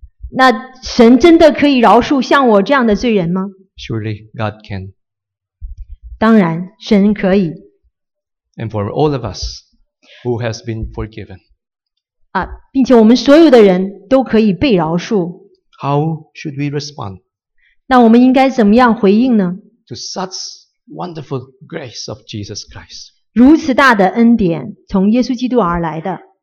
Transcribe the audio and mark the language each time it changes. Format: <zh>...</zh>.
<zh>那神真的可以饶恕像我这样的罪人吗？</zh> <en>Surely God can.</en> <zh>当然，神可以。</zh> <en>And for all of us who has been forgiven,</en> <zh>并且我们所有的人都可以被饶恕。</zh> <en>How should we respond?</en> <zh>那我们应该怎么样回应呢？</zh> <en>To such wonderful grace of Jesus Christ.</en> <zh>如此大的恩典从耶稣基督而来的。</zh>